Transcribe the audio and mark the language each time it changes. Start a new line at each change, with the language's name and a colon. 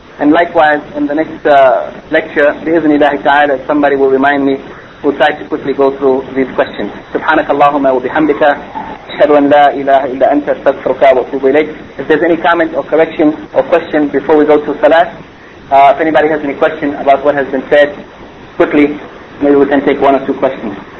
English: And likewise, in the next lecture,
Arabic: بِإِذْنِ اللَّهِ تَعَالَى,
English: somebody will remind me, we'll try to quickly go through these questions.
Arabic: سبحانك اللهم وبحمدك أشهد أن لا إله إلا أنت أستغفرك وأتوب إليك.
English: If there's any comment or correction or question before we go to Salat, if anybody has any question about what has been said, quickly, maybe we can take one or two questions.